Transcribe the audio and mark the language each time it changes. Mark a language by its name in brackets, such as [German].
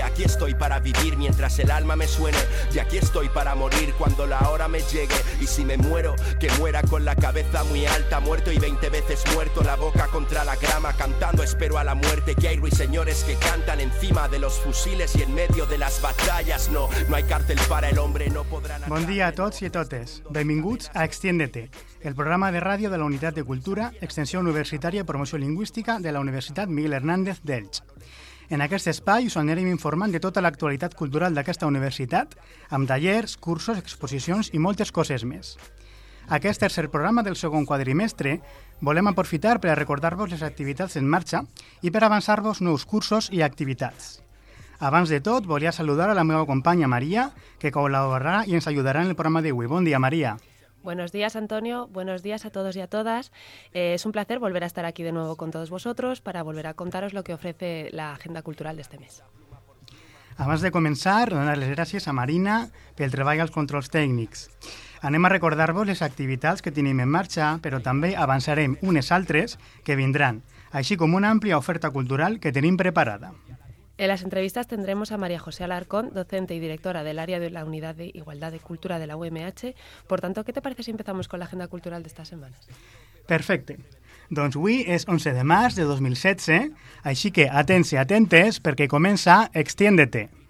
[Spanish] Aquí estoy para vivir mientras el alma me suene, y aquí estoy para morir cuando la hora me llegue. Y si me muero, que muera con la cabeza muy alta, muerto y 20 veces muerto, la boca contra la grama, cantando espero a la muerte. Que hay ruiseñores que cantan encima de los fusiles y en medio de las batallas. No, no hay cárcel para el hombre, no podrán... [Catalan] Bon dia a tots i a totes. Benvinguts a Extiéndete, el programa de ràdio de la Unitat de Cultura, Extensió Universitària i Promoció Lingüística de la Universitat Miguel Hernández d'Elx. En aquest espai us anirem informant de tota l'actualitat cultural d'aquesta universitat, amb tallers, cursos, exposicions i moltes coses més. Aquest tercer programa del segon quadrimestre volem aprofitar per a recordar-vos les activitats en marxa i per avançar-vos nous cursos i activitats. Abans de tot, volia saludar a la meva companya Maria, que col·laborarà i ens ajudarà en el programa d'avui. Bon dia, Maria. [Spanish] Buenos días, Antonio. Buenos días a todos y a todas. Es un placer volver a estar aquí de nuevo con todos vosotros para volver a contaros lo que ofrece la agenda cultural de este mes. [Catalan] Abans de començar, donar les gràcies a Marina pel treball als controls tècnics. Anem a recordar-vos les activitats que tenim en marxa, però també avançarem unes altres que vindran, així com una àmplia oferta cultural que tenim preparada. [Spanish] En las entrevistas tendremos a María José Alarcón, docente y directora del área de la Unidad de Igualdad de Cultura de la UMH. Por tanto, ¿qué te parece si empezamos con la agenda cultural de estas semanas? [Catalan] Perfecte. Doncs avui és 11 de març de 2016, així que atents i atentes perquè comença Extiéndete.